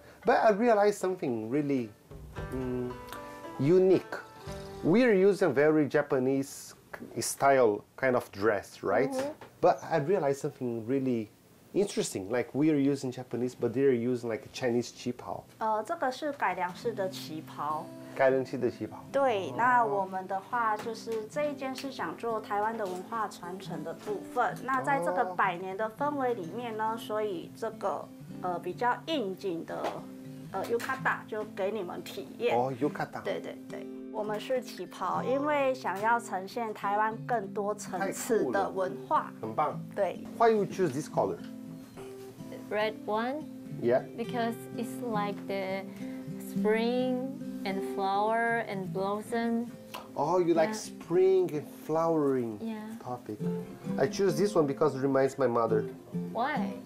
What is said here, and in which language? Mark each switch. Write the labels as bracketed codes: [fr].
[en] But I realized something really unique. We're using a very Japanese style kind of dress, right? Mm-hmm. But I realized something really... Interesting, like we are using Japanese, but they are using like a Chinese 旗袍。 [zh] 这个是改良式的旗袍。改良式的旗袍。对，那我们的话就是这一件是想做台湾的文化传承的部分。那在这个百年的氛围里面呢，所以这个比较应景的yukata 就给你们体验。哦，yukata。对对对。我们是旗袍，因为想要呈现台湾更多层次的文化。很棒。对。 [en] Why you choose this color? Red one. Yeah. Because it's like the spring and flower and blossom. Oh, you like spring and flowering topic. I choose this one because it reminds my mother. Why?